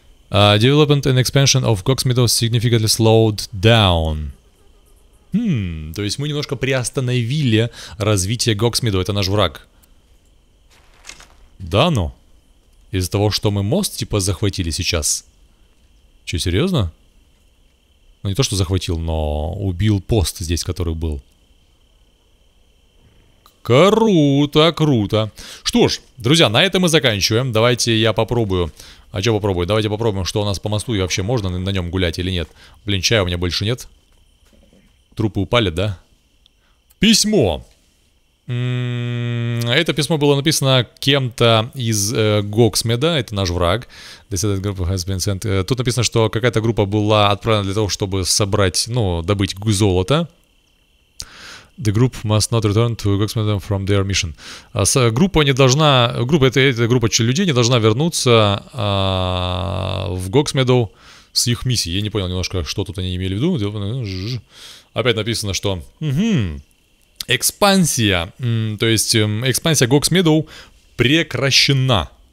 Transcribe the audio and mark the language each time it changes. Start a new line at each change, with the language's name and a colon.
English: Development and expansion of Coxmeadows significantly slowed down.
Russian: То есть мы немножко приостановили развитие Coxmeadow, это наш враг. Да ну? Из-за того, что мы мост типа захватили сейчас? Че, серьезно? Ну не то, что захватил, но убил пост здесь, который был. Круто, круто. Что ж, друзья, на этом мы заканчиваем. Давайте я попробую. А что попробую? Давайте попробуем, что у нас по мосту и вообще можно на нем гулять или нет. Блин, чая у меня больше нет. Трупы упали, да? Письмо. Это письмо было написано кем-то из Coxmeadow. Это наш враг. Тут написано, что какая-то группа была отправлена для того, чтобы собрать, ну, добыть золото.
English: The group must not return to Coxmeadow from their mission.
Russian: Группа не должна... Эта группа людей не должна вернуться в Coxmeadow с их миссией. Я не понял немножко, что тут они имели в виду. Опять написано, что... Экспансия. То есть экспансия Coxmeadow прекращена.